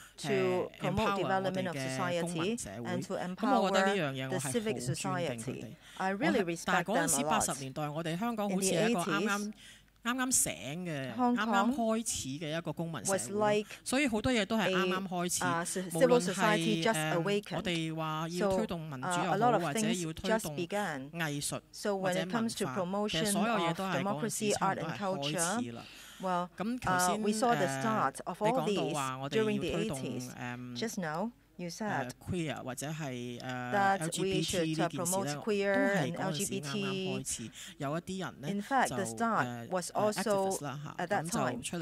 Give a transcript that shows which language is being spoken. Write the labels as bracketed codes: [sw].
[en] To promote development of society and to empower the civic society. I really respect them a lot. In the 80s, [zh] 剛醒的, Hong Kong 剛開始的一個公民社會, 所以很多東西都是剛剛開始, 無論是, 我們說要推動民主也好, 或者要推動藝術或者文化, 其實所有東西都是當時差不多是開始了。 [en] Well, we saw the start of all these during the 80s. Just now, you said that we should promote queer and LGBT. In fact, the start was also at that time.